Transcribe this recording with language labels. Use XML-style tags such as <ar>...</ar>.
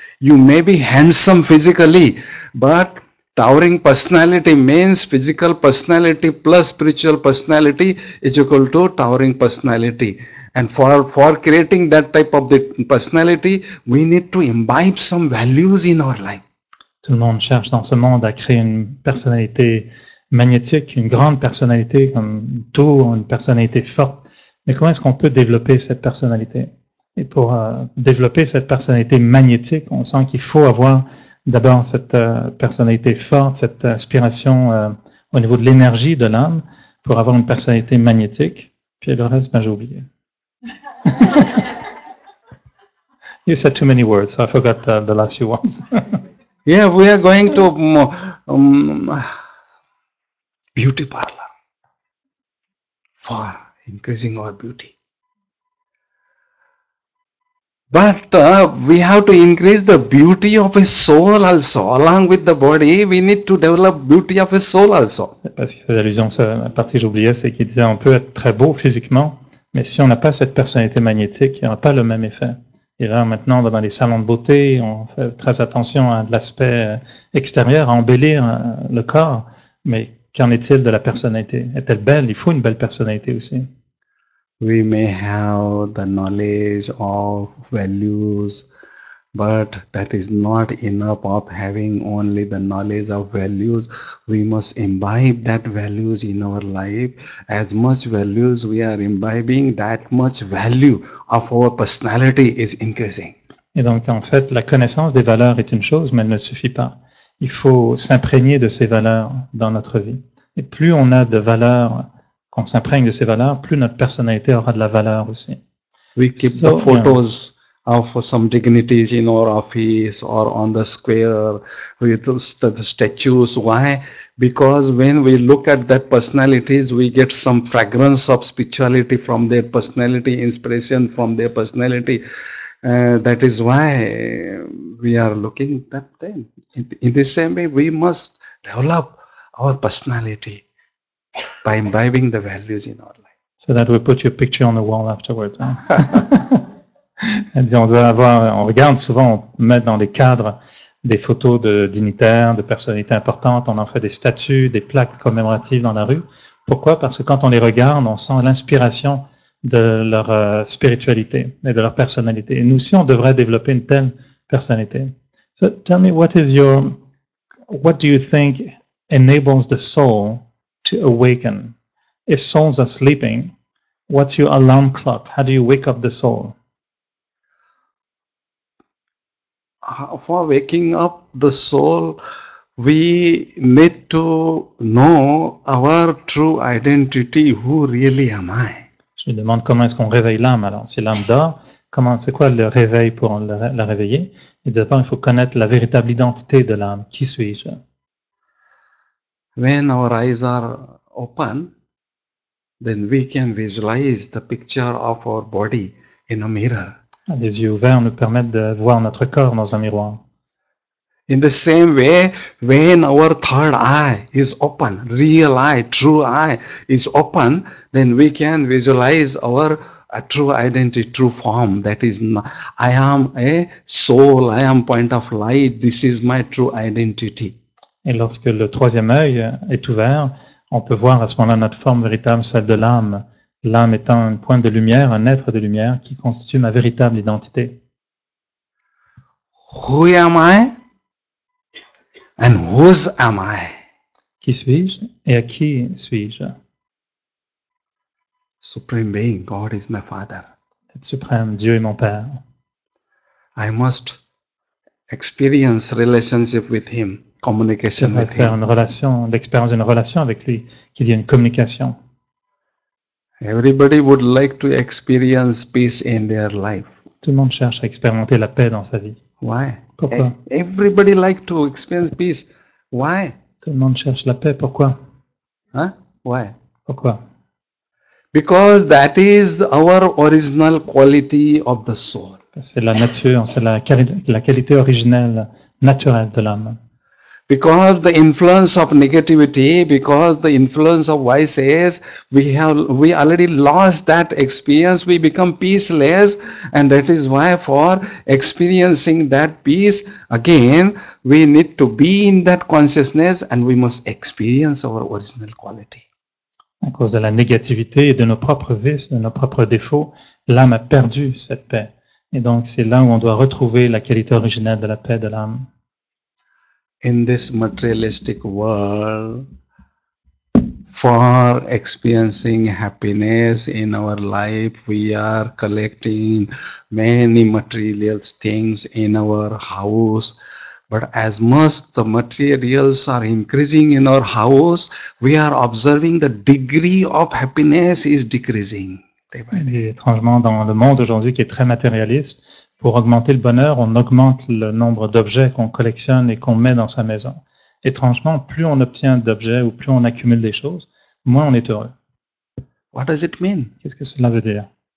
<en>You may be handsome physically, but towering personality means physical personality plus spiritual personality is equal to towering personality. And for creating that type of the personality, we need to imbibe some values in our life.</en> <fr>Tout le monde cherche dans ce monde à créer une personnalité magnétique, une grande personnalité, comme une tour, une personnalité forte. Mais comment est-ce qu'on peut développer cette personnalité? Et pour développer cette personnalité magnétique, on sent qu'il faut avoir d'abord cette personnalité forte, cette inspiration au niveau de l'énergie de l'âme, pour avoir une personnalité magnétique. Puis le reste, ben, j'ai oublié.</fr> <en>You said too many words, so I forgot the last few ones. Yeah, we are going to beauty parlor for increasing our beauty. But we have to increase the beauty of a soul also. Along with the body, we need to develop beauty of a soul also.</en> <fr>Parce qu'il faisait allusion, la partie que j'oubliais, c'est qu'il disait on peut être très beau physiquement, mais si on n'a pas cette personnalité magnétique, il n'y aura pas le même effet. Et là, maintenant, dans les salons de beauté, on fait très attention à l'aspect extérieur, à embellir le corps. Mais qu'en est-il de la personnalité? Est-elle belle? Il faut une belle personnalité aussi.</fr> <en>We may have the knowledge of values, But that is not enough of having only the knowledge of values. We must imbibe that values in our life. As much values we are imbibing, that much value of our personality is increasing.</en> <fr>Et donc, en fait, la connaissance des valeurs est une chose, mais elle ne suffit pas. Il faut s'imprégner de ces valeurs dans notre vie. Et plus on a de valeurs, qu'on s'imprègne de ces valeurs, plus notre personnalité aura de la valeur aussi.</fr> <en>We keep the photos of some dignities in our office or on the square with the statues. Why? Because when we look at that personalities, we get some fragrance of spirituality from their personality, inspiration from their personality. That is why we are looking at them. In the same way, we must develop our personality by imbibing the values in our life. So that we put your picture on the wall afterwards. Hein?</en> <fr>On doit avoir, on regarde souvent, on met dans des cadres des photos de dignitaires, de personnalités importantes, on en fait des statues, des plaques commémoratives dans la rue. Pourquoi? Parce que quand on les regarde, on sent l'inspiration de leur spiritualité et de leur personnalité. Et nous aussi, on devrait développer une telle personnalité.</fr> <en>So tell me, what do you think enables the soul to awaken? If souls are sleeping, what's your alarm clock? How do you wake up the soul? For waking up the soul, we need to know our true identity. Who really am I?</en> <fr>Je me demande comment est-ce qu'on réveille l'âme alors. Si l'âme dort, comment, c'est quoi le réveil pour la réveiller? Et d'abord, il faut connaître la véritable identité de l'âme. Qui suis-je?</fr> <en>When our eyes are open, then we can visualize the picture of our body in a mirror.</en> <fr>Les yeux ouverts nous permettent de voir notre corps dans un miroir.</fr> <en>In the same way, when our third eye is open, real eye, true eye is open, then we can visualize our true identity, true form. That is, I am a soul, I am point of light, this is my true identity.</en> <fr>Et lorsque le troisième œil est ouvert, on peut voir à ce moment-là notre forme véritable, celle de l'âme. L'âme étant un point de lumière, un être de lumière qui constitue ma véritable identité.</fr> <en>Who am I? And whose am I?</en> <fr>Qui suis-je et à qui suis-je?</fr> <en>Supreme being, God is my father.</en> <fr>Être suprême, Dieu est mon père.</fr> <en>I must experience relationship with him, communication with him.</en> <fr>Faire une relation, l'expérience d'une relation avec lui, qu'il y ait une communication.</fr> <en>Everybody would like to experience peace in their life.</en> <fr>Tout le monde cherche à expérimenter la paix dans sa vie.</fr> <en>Why?</en> <fr>Pourquoi?</fr> <en>Everybody like to experience peace. Why?</en> <fr>Tout le monde cherche la paix. Pourquoi?</fr> <en>Hein? Why?</en> <fr>Pourquoi?</fr> <en>Because that is our original quality of the soul.</en> <fr>C'est la nature, c'est la qualité originelle, naturelle de l'âme.</fr> <en>Because the influence of negativity, because the influence of vices, we already lost that experience, we become peaceless, and that is why for experiencing that peace again, we need to be in that consciousness and we must experience our original quality.</en> <fr>À cause de la négativité et de nos propres vices, de nos propres défauts, l'âme a perdu cette paix. Et donc c'est là où on doit retrouver la qualité originelle de la paix de l'âme.</fr> <en>In this materialistic world, for experiencing happiness in our life, we are collecting many material things in our house. But as much the materials are increasing in our house, we are observing the degree of happiness is decreasing.</en> <fr>Et étrangement, dans le monde aujourd'hui qui est très matérialiste, pour augmenter le bonheur, on augmente le nombre d'objets qu'on collectionne et qu'on met dans sa maison. Étrangement, plus on obtient d'objets ou plus on accumule des choses, moins on est heureux.</fr> <en>What does it mean?</en> <fr>Qu'est-ce que cela veut dire?</fr>